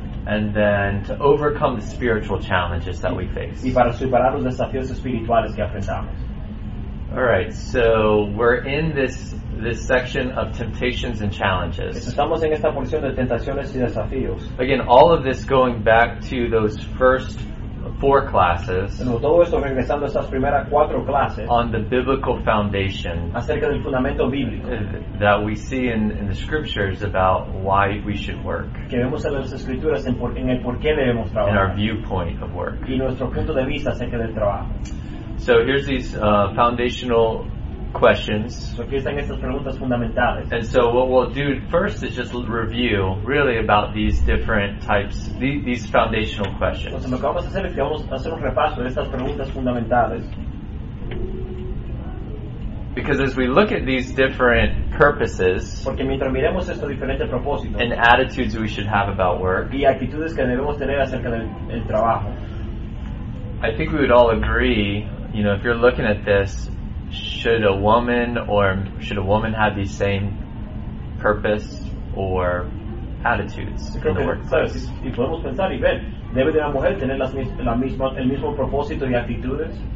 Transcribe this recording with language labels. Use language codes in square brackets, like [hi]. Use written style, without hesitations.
[en] And then to overcome the spiritual challenges that we face. [es] Y para superar los desafíos espirituales que enfrentamos. [en] All right, so we're in this section of temptations and challenges. [es] Estamos en esta porción de tentaciones y desafíos. [en] Again, all of this going back to those first four classes. [es] Todo esto regresando a estas primeras cuatro clases. [en] On the biblical foundation. [es] Acerca del fundamento bíblico. [en] That we see in the scriptures about why we should work. [es] Que vemos en las escrituras en el por qué debemos trabajar. [en] In our viewpoint of work. [es] Y nuestro punto de vista acerca del trabajo. [en] So here's these foundational questions. [es] So aquí están estas preguntas fundamentales. [en] And so what we'll do first is just review really about these different types, these foundational questions. [es] Entonces lo que vamos a hacer es que vamos a hacer un repaso de estas preguntas fundamentales. [en] Because as we look at these different purposes, [es] porque mientras miremos estos diferentes propósitos, [en] and attitudes we should have about work, [es] y actitudes que debemos tener acerca del trabajo, [en] I think we would all agree, you know, if you're looking at this, should a woman have the same purpose or attitudes in the workplace? [es] Si podemos pensar y ver, debe de la mujer tener el mismo propósito y actitudes.